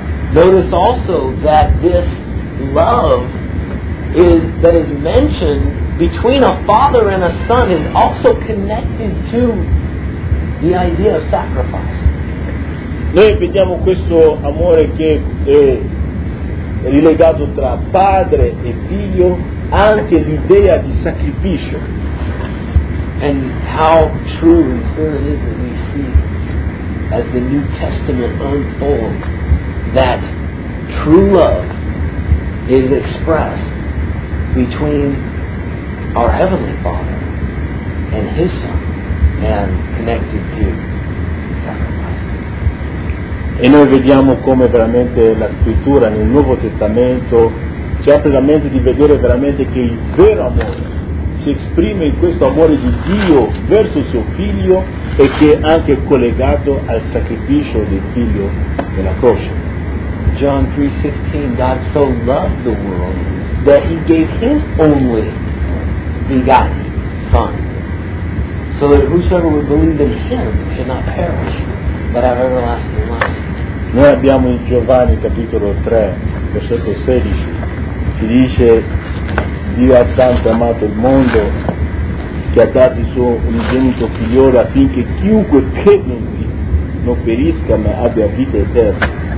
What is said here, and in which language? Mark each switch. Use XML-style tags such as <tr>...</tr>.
<en>Notice also that this love that is mentioned between a father and a son is also connected to the idea of sacrifice.</en> <it>Noi vediamo questo amore che è rilegato tra padre e figlio anche l'idea di sacrificio.</it> <en>And how true and clear it is that we see as the New Testament unfolds that true love is expressed between our Heavenly Father and His Son and connected to</en> <it>E noi vediamo come veramente la scrittura nel Nuovo Testamento ci apre la mente di vedere veramente che il vero amore si esprime in questo amore di Dio verso suo figlio e che è anche collegato al sacrificio del figlio della croce.</it> <en>John 3:16, God so loved the world that he gave his only begotten son so that whosoever would believe in him should not perish but have everlasting life.</en> <it>Noi abbiamo in Giovanni capitolo 3, versetto 16, che dice Dio ha tanto amato il mondo che ha dato il suo unigenito figliolo affinché chiunque crede in lui non perisca ma abbia vita eterna.</it>